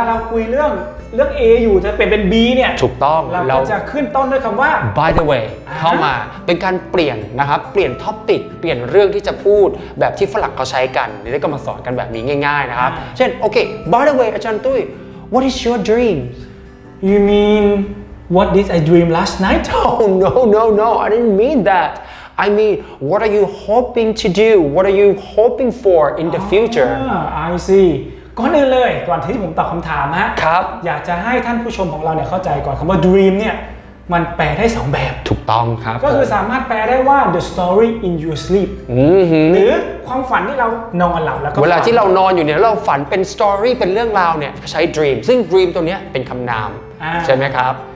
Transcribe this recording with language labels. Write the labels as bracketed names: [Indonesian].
[Thai] เราคุยเรื่อง A อยู่จะเปลี่ยนเป็น B เนี่ย ถูกต้อง เราจะขึ้นต้นด้วยคำว่า [English] by the way [Thai] เข้ามาเป็นการเปลี่ยนนะครับเปลี่ยนท็อปิกเปลี่ยนเรื่องที่จะพูดแบบที่ฝรั่งเขาใช้กันนี่ก็มาสอนกันแบบนี้ง่ายๆนะครับเช่นโอเค by the way อาจารย์ตุ้ย [English] what is your dream you mean what did I dream last night no I didn't mean thatI mean, what are you hoping to do? What are you hoping for in the future? I see. [Thai] ก่อนอื่นเลยก่อนที่ผมตอบคำถามนะ ครับ อยากจะให้ท่านผู้ชมของเราเนี่ยเข้าใจก่อนคำว่า dream เนี่ยมันแปลได้สองแบบ ถูกต้องครับ ก็คือสามารถแปลได้ว่า [English] the story in your sleep [Thai] หรือความฝันที่เรานอนหลับแล้วก็ เวลาที่เรานอนอยู่เนี่ยเราฝันเป็น story เป็นเรื่องราวเนี่ยใช้ dream ซึ่ง dream ตัวเนี้ยเป็นคำนามใช่ไหมครับ